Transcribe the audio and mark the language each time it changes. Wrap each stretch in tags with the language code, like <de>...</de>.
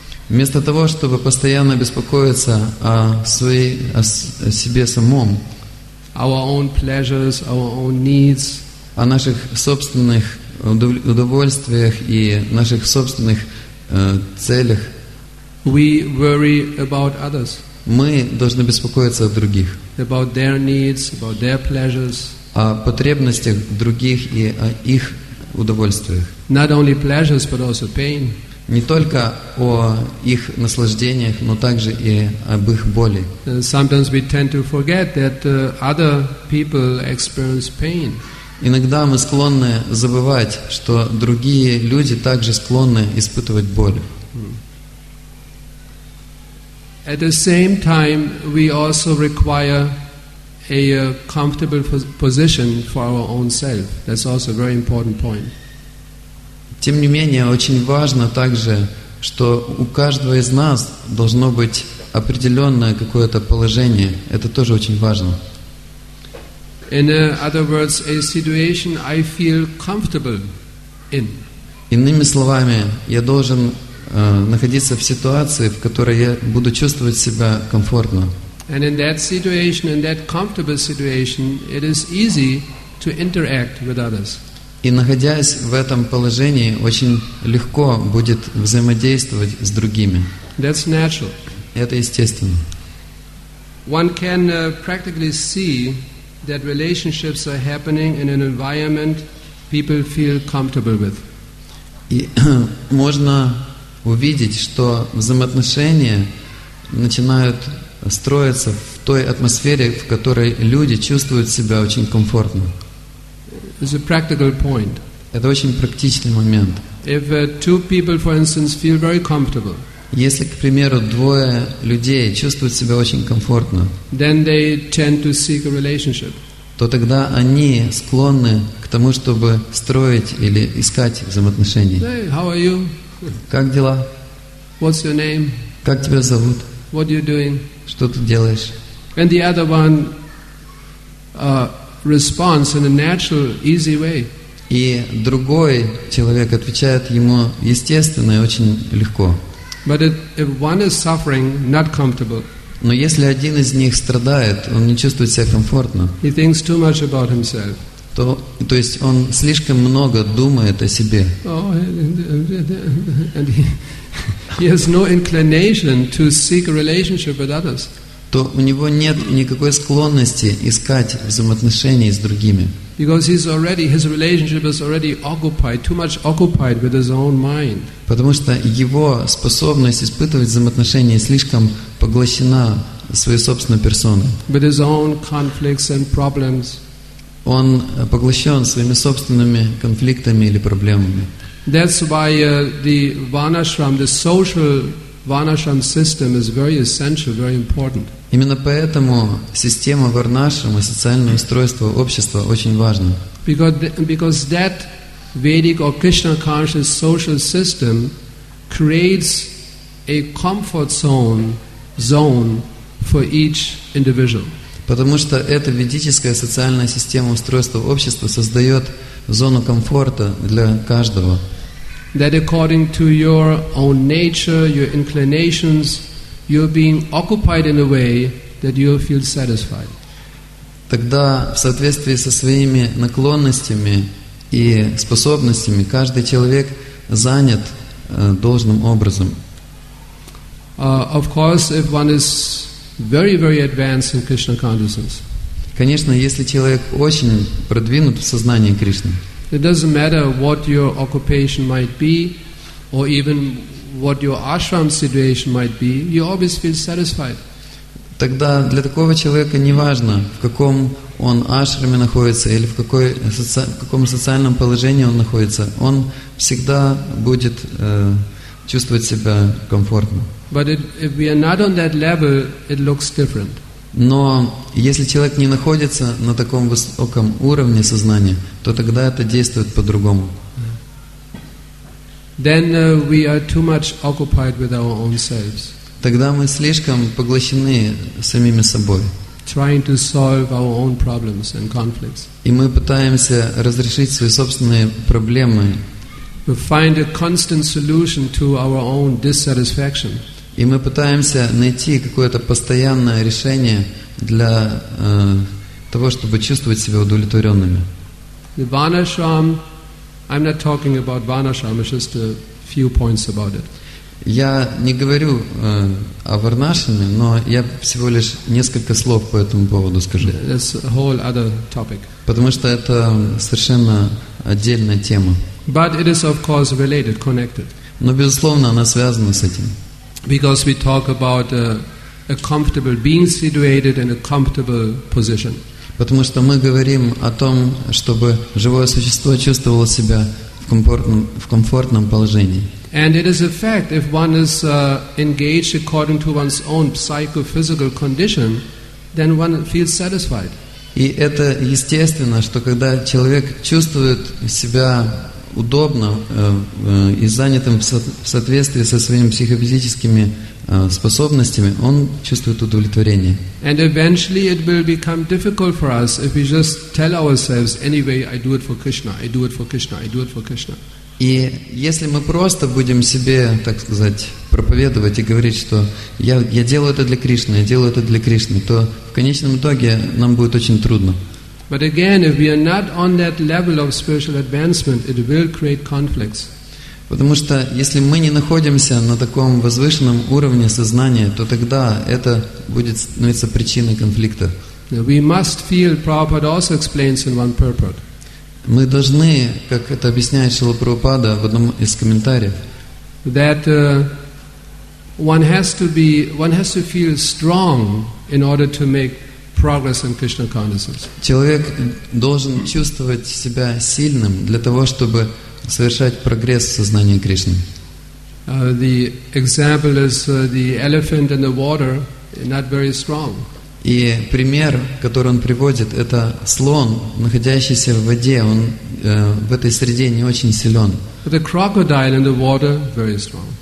<ru>Вместо того, чтобы постоянно беспокоиться о себе самом.</ru> <en>Our own pleasures, our own needs.</en> <ru>О наших собственных удовольствиях и наших собственных целях.</ru> <en>We worry about others.</en> <ru>Мы должны беспокоиться о других.</ru> <en>About their needs, about their pleasures.</en> <ru>О потребностях других и о их удовольствиях.</ru> <en>Not only pleasures, but also pain.</en> <ru>Не только о их наслаждениях, но также и об их боли.</ru> <en>Sometimes we tend to forget that other people experience pain.</en> <ru>Иногда мы склонны забывать, что другие люди также склонны испытывать боль.</ru> <en>At the same time, we also require a comfortable position for our own self. That's also a very important point.</en> <ru>Тем не менее, очень важно также, что у каждого из нас должно быть определенное какое-то положение. Это тоже очень важно.</ru> <en>In other words, a situation I feel comfortable in.</en> <ru>Иными словами, я должен находиться в ситуации, в которой я буду чувствовать себя комфортно.</ru> <en>And in that situation, in that comfortable situation, it is easy to interact with others.</en> <ru>И находясь в этом положении, очень легко будет взаимодействовать с другими.</ru> <en>That's natural.</en> <ru>Это естественно.</ru> <en>One can practically see that relationships are happening in an environment people feel comfortable with.</en> <ru>И можно увидеть, что взаимоотношения начинают строиться в той атмосфере, в которой люди чувствуют себя очень комфортно.</ru> <en>It's a practical point.</en> <ru>Это очень практичный момент.</ru> <en>If two people, for instance, feel very comfortable,</en> <ru>если, к примеру, двое людей чувствуют себя очень комфортно,</ru> <en>then they tend to seek a relationship.</en> <ru>То тогда они склонны к тому, чтобы строить или искать взаимоотношения.</ru> <en>Hey, how are you?</en> <ru>Как дела?</ru> <en>What's your name?</en> <ru>Как тебя зовут?</ru> <en>What are you doing?</en> <ru>Что ты делаешь?</ru> <en>And the other one responds in a natural, easy way.</en> <ru>И другой человек отвечает ему естественно и очень легко.</ru> <en>But if one is suffering, not comfortable.</en> <ru>Но если один из них страдает, он не чувствует себя комфортно.</ru> <en>He thinks too much about himself.</en> <ru>То есть он слишком много думает о себе.</ru> <en>Oh, and he has no inclination to seek a relationship with others.</en> <ru>То у него нет никакой склонности искать взаимоотношений с другими.</ru> <en>Because his relationship is already occupied, too much occupied with his own mind.</en> <ru>Потому что его способность испытывать взаимоотношения слишком поглощена своей собственной персоной.</ru> <en>With his own conflicts and problems.</en> <ru>Он поглощен своими собственными конфликтами или проблемами.</ru> <en>That's why the Vanashram, the social Vanashram system is very essential, very important.</en> <ru>Именно поэтому система Варнашрама, социальное устройство общества, очень важно.</ru> <en>Because that Vedic or Krishna conscious social system creates a comfort zone for each individual.</en> <ru>Потому что эта ведическая социальная система устройства общества создает зону комфорта для каждого.</ru> <en>That according to your own nature, your inclinations, you're being occupied in a way that you feel satisfied.</en> <ru>Тогда в соответствии со своими наклонностями и способностями каждый человек занят должным образом.</ru> <en>Of course, if one is very, very advanced in Krishna consciousness.</en> <ru>Конечно, если человек очень продвинут в сознании Кришны.</ru> <en>It doesn't matter what your occupation might be, or even what your ashram situation might be. You always feel satisfied.</en> <ru>Тогда для такого человека не важно, в каком он ашраме находится или в каком социальном положении он находится. Он всегда будет чувствовать себя комфортно.</ru> <en>But if we are not on that level, it looks different.</en> <ru>Но если человек не находится на таком высоком уровне сознания, то тогда это действует по-другому.</ru> <en>Then we are too much occupied with our own selves.</en> <ru>Тогда мы слишком поглощены самими собой.</ru> <en>Trying to solve our own problems and conflicts.</en> <ru>И мы пытаемся разрешить свои собственные проблемы.</ru> <en>We find a constant solution to our own dissatisfaction.</en> <ru>И мы пытаемся найти какое-то постоянное решение для того, чтобы чувствовать себя удовлетворенными.</ru> <en>The Vanashram, I'm not talking about Vanashram, it's just a few points about it.</en> <ru>Я не говорю о Варнашраме, но я всего лишь несколько слов по этому поводу скажу.</ru> <en>That's a whole other topic.</en> <ru>Потому что это совершенно отдельная тема.</ru> <en>But it is of course related, connected.</en> <ru>Но безусловно она связана с этим.</ru> <en>Because we talk about a comfortable being situated in a comfortable position.</en> <ru>Потому что мы говорим о том, чтобы живое существо чувствовало себя в комфортном положении.</ru> <en>And it is a fact if one is engaged according to one's own psychophysical condition, then one feels satisfied.</en> <ru>И это естественно, что когда человек чувствует себя удобно и занятым в соответствии со своими психофизическими способностями, он чувствует удовлетворение.</ru> <en>And eventually it will become difficult for us if we just tell ourselves, anyway, I do it for Krishna, I do it for Krishna, I do it for Krishna.</en> <ru>И если мы просто будем себе, так сказать, проповедовать и говорить, что я делаю это для Кришны, я делаю это для Кришны, то в конечном итоге нам будет очень трудно.</ru> <en>But again, if we are not on that level of spiritual advancement, it will create conflicts.</en> <ru>Потому что если мы не находимся на таком возвышенном уровне сознания, то тогда это будет становиться причиной конфликта.</ru> <en>We must feel, Prabhupada also explains in one purport.</en> <ru>Мы должны, как это объясняет Шрила Прабхупада в одном из комментариев,</ru> <en>that one has to feel strong in order to make progress in Krishna consciousness.</en> <ru>Человек должен чувствовать себя сильным для того, чтобы совершать прогресс в сознании Кришны.</ru> <en>The example is the elephant in the water, not very strong.</en> <ru>И пример, который он приводит, это слон, находящийся в воде. Он в этой среде не очень силен.</ru> <en>But the crocodile in the water, very strong.</en>